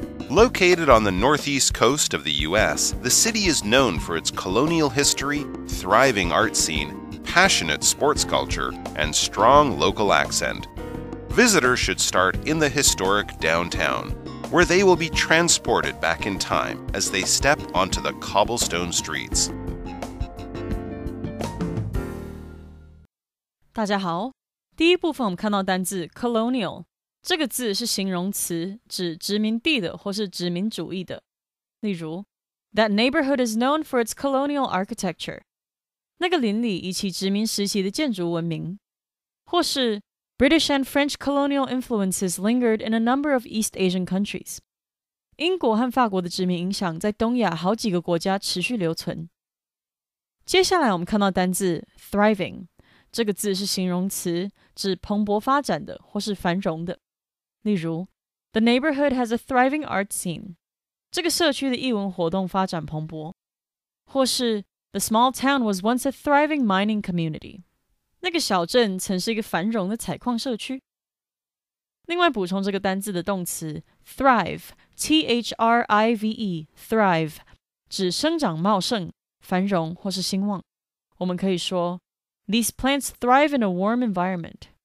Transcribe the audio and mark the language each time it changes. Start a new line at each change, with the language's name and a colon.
English: Located on the northeast coast of the U.S., the city is known for its colonial history, thriving art scene, passionate sports culture, and strong local accent. Visitors should start in the historic downtown, where they will be transported back in time as they step onto the cobblestone streets.
Chinese: 大家好，第一部分我们看到单字 colonial， 这个字是形容词，指殖民地的或是殖民主义的。例如
English: ，That neighborhood is known for its colonial architecture。
Chinese: 那个邻里以其殖民时期的建筑闻名。或是
English: ，British and French colonial influences lingered in a number of East Asian countries。
Chinese: 英国和法国的殖民影响在东亚好几个国家持续留存。接下来我们看到单字 thriving。这个字是形容词，指蓬勃发展的或是繁荣的。例如
English: ，The neighborhood has a thriving art scene。
Chinese: 这个社区的艺文活动发展蓬勃。或是
English: ，The small town was once a thriving mining community。
Chinese: 那个小镇曾是一个繁荣的采矿社区。另外补充这个单字的动词 thrive，T-H-R-I-V-E，thrive， 指生长茂盛、繁荣或是兴旺。我们可以说。
English: These plants thrive in a warm environment.